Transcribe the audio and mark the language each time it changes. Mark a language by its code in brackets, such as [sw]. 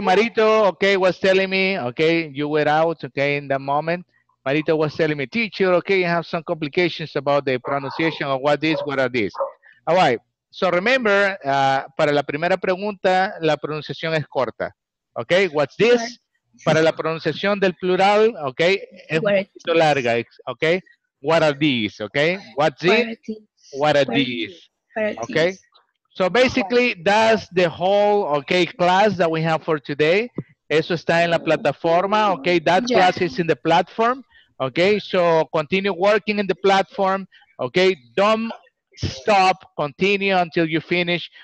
[en] Marito, okay, was telling me, okay, you were out, okay, in that moment. Marito was telling me, teacher, okay, you have some complications about the pronunciation of what is, what are these. All right. [es] So remember, para la primera pregunta, la pronunciación es corta. [en] Okay, what's this? [es] Para la pronunciación del plural, okay, es un poquito larga. [en] Okay, what are these? Okay, what's this? What are these? Okay, so basically, that's the whole, okay, class that we have for today. [es] Eso está en la plataforma, okay, that class is in the platform. [en] Okay, so continue working in the platform. Okay, don't stop, continue until you finish.